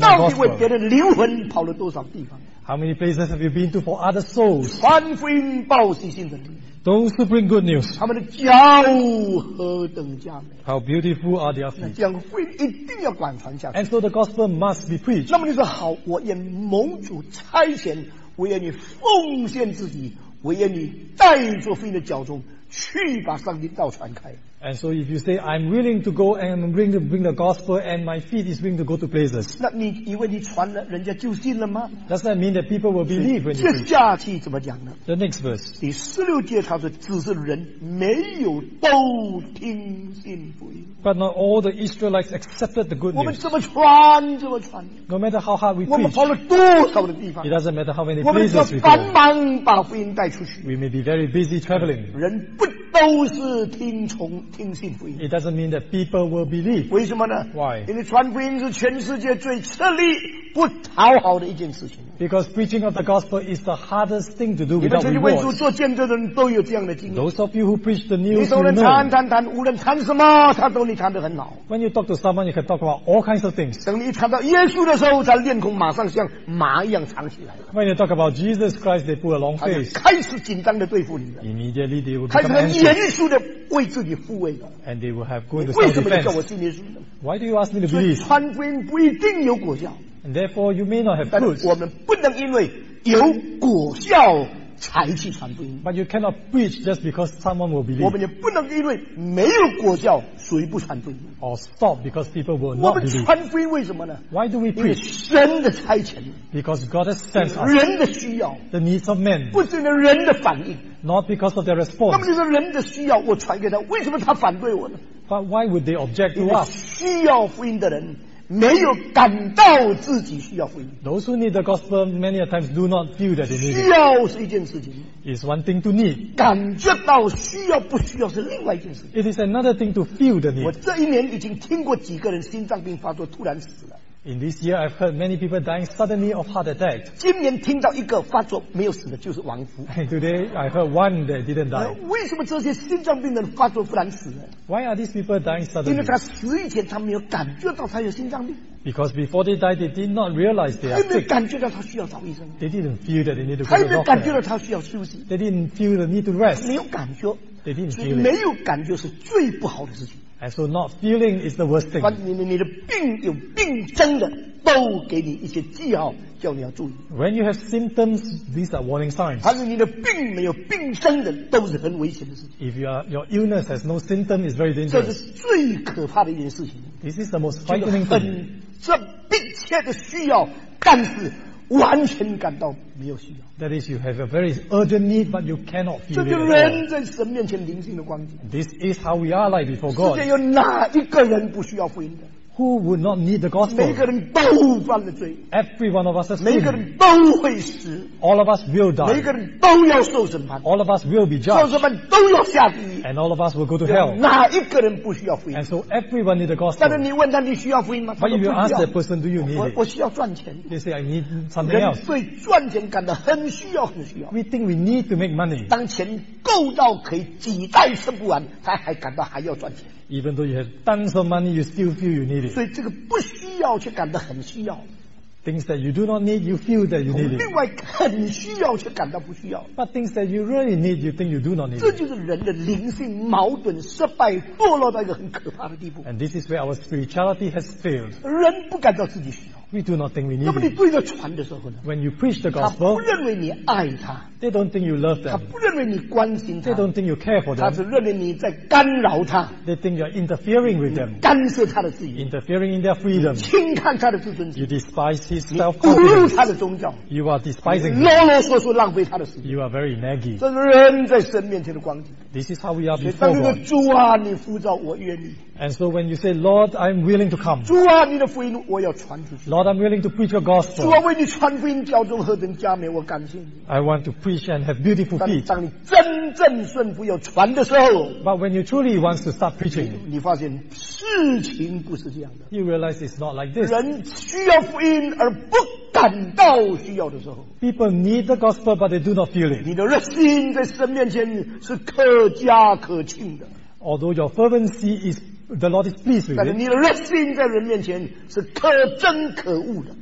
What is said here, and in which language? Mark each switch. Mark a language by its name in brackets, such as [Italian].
[English] my gospel? [Chinese] 你到底为别人灵魂跑了多少地方？ [English] How many places have you been to for other souls? [Chinese] 传福音报喜信的人。 [English] Those who bring good news. [Chinese] 他们的脚何等佳美。 [English] How beautiful are their feet. [Chinese] 那这样福音一定要广传下去。 [English] And so the gospel must be preached. [Chinese] 那么你说好，我愿蒙主差遣，我愿意奉献自己，我愿意带着福音的脚中去把上帝道传开。 [English] And so if you say, I'm willing to go and bring the gospel and my feet is willing to go to places. [Chinese] 那你以为你传了人家就信了吗？ [English] Does that mean that people will believe when you preach? [Chinese] 接下去怎么讲呢？ [English] The next verse. [Chinese] 第十六节他说，只是人没有都听信福音。 [English] But not all the Israelites accepted the good news. [Chinese] 我们怎么传怎么传。 [English] No matter how hard we preach. [Chinese] 我们跑了多少的地方。 [English] It doesn't matter how many places we go. [Chinese] 我们只要繁忙把福音带出去。 [English] We may be very busy traveling. [Chinese] 人不都是听从听信福音。 [English] It doesn't mean that people will believe. [Chinese] 为什么呢？ [English] Why? [Chinese] 因为传福音是全世界最吃力不讨好的一件事情。 [English] Because preaching of the gospel is the hardest thing to do without rewards. [Chinese] 你们这些为主做见证的人都有这样的经验。 [English] Those of you who preach the news, you know. [Chinese] 你谈谈谈，无论谈什么，他都你谈得很好。 [English] When you talk to someone, you can talk about all kinds of things. [Chinese] 等你谈到耶稣的时候，他脸孔马上像马一样藏起来。 [English] When you talk about Jesus Christ, they put a long face. [Chinese] 开始紧张的对付你了。 [English] Immediately they will [Chinese] 开始很严肃的为自己护卫。 [English] And they will have good self-defense. [Chinese] 为什么叫我信耶稣呢？ [English] Why do you ask me to believe? [Chinese] 所以传福音不一定有果效。 [English] And therefore, you may not have fruit. [Chinese] 我们不能因为有果效才去传福音。 [English] But you cannot preach just because someone will believe. [Chinese] 我们也不能因为没有果效，所以不传福音。 [English] Or stop because people will not believe. [Chinese] 我们传福音为什么呢？ [English] Why do we preach? [Chinese] 因为神的差遣。 [English] Because God has sent us. [Chinese] 人的需要。 [English] The needs of men. [Chinese] 不是因为人的反应。 [English] Not because of their response. [Chinese] 那么就是人的需要，我传给他，为什么他反对我呢？ [English] But why would they object to us? [Chinese] 因为需要福音的人。没有感到自己需要福音。 [English] Those who need the gospel many a times do not feel that they need it. [Chinese] 需要是一件事情。 [English] It's one thing to need. [Chinese] 感觉到需要不需要是另外一件事情。 [English] It is another thing to feel the need. [Chinese] 我这一年已经听过几个人心脏病发作突然死了。 [English] In this year, I've heard many people dying suddenly of heart attack. [Chinese] 今年听到一个发作没有死的，就是王福。 [English] Today, I heard one that didn't die. [Chinese] 为什么这些心脏病人发作突然死呢？ [English] Why are these people dying suddenly? [Chinese] 因为他死以前他没有感觉到他有心脏病。 [English] Because before they died, they did not realize they are sick. [Chinese] 他没有感觉到他需要找医生。 [English] They didn't feel that they need to go to doctor. [Chinese] 他没有感觉到他需要休息。 [English] They didn't feel the need to rest. [Chinese] 没有感觉。 [English] They didn't feel it. [Chinese] 所以没有感觉是最不好的事情。 [English] And so not feeling is the worst thing. [Chinese] 你的病有病症的都给你一些记号叫你要注意。 [English] When you have symptoms, these are warning signs. [Chinese] 但是你的病没有病症的都是很危险的事情。 [English] If your illness has no symptom, it's very dangerous. [Chinese] 这是最可怕的一件事情。 [English] This is the most frightening thing. [Chinese] 这迫切的需要，但是完全感到没有需要。 [English] That is, you have a very urgent need, but you cannot feel it. [Chinese] 这就人在神面前灵性的光景。 [English] This is how we are like before God. [Chinese] 世界有哪一个人不需要福音的？ [English] Who would not need the gospel? [Chinese] 每个人都犯了罪。 [English] Every one of us has sinned. [Chinese] 每个人都会死。 [English] All of us will die. [Chinese] 每个人都要受审判。 [English] All of us will be judged. [Chinese] 受审判都要下地狱。 [English] And all of us will go to hell. [Chinese] 哪一个人不需要福音？ [English] And so everyone needs the gospel. [Chinese] 但是你问他你需要福音吗？ [English] But if you ask that person, do you need it? [Chinese] 我需要赚钱。 [English] They say, I need something else. [Chinese] 人对赚钱感到很需要很需要。 [English] We think we need to make money. [Chinese] 当钱够到可以几代吃不完，他还感到还要赚钱。 [English] Even though you have tons of money, you still feel you need it. [Chinese] 所以这个不需要却感到很需要。 [English] Things that you do not need, you feel that you need it. [Chinese] 另外很需要却感到不需要。 [English] But things that you really need, you think you do not need. [Chinese] 这就是人的灵性矛盾失败堕落到一个很可怕的地步。 [English] And this is where our spirituality has failed. [Chinese] 人不感到自己需要。 [English] We do not think we need it. [Chinese] 那么你对着传的时候呢？ [English] When you preach the gospel, [Chinese] 他不认为你爱他。 [English] They don't think you love them. [Chinese] 他不认为你关心他。 [English] They don't think you care for them. [Chinese] 他只认为你在干扰他。 [English] They think you're interfering with them. [Chinese] 干涉他的自由。 [English] Interfering in their freedom. [Chinese] 轻看他的自尊心。 [English] You despise his self-confidence. [Chinese] 侮辱他的宗教。 [English] You are despising him. [Chinese] 啰啰嗦嗦浪费他的时间。 [English] You are very naggy. [Chinese] 这是人在神面前的光景。 [English] This is how we are before God. [Chinese] 所以当你的主啊，你呼召我愿意。 [English] And so when you say, Lord, I'm willing to come. [Chinese] 主啊，你的福音我要传出去。 [English] Lord, I'm willing to preach your gospel. [Chinese] 主啊，为你传福音教众何等佳美，我感谢你。 [English] I want to preach and have beautiful feet. [Chinese] 当你真正顺服要传的时候， [English] But when you truly want to start preaching, [Chinese] 你发现事情不是这样的。 [English] You realize it's not like this. [Chinese] 人需要福音而不感到需要的时候， [English] People need the gospel but they do not feel it. [Chinese] 你的热心在神面前是可嘉可庆的。 [English] Although your fervency is The Lord is pleased with it. [Chinese] 但是你的热心在人面前是可憎可恶的。